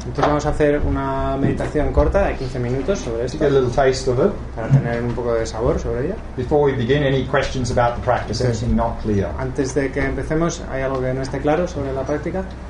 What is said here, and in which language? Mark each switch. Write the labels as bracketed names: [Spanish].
[Spanish] Entonces vamos a hacer una meditación corta de 15 minutos sobre esto. [English] To get a little taste of it. [Spanish] Para tener un poco de sabor sobre ella. [English] Before we begin, any questions about the practice? Entonces, anything not clear? [Spanish] Antes de que empecemos, ¿hay algo que no esté claro sobre la práctica?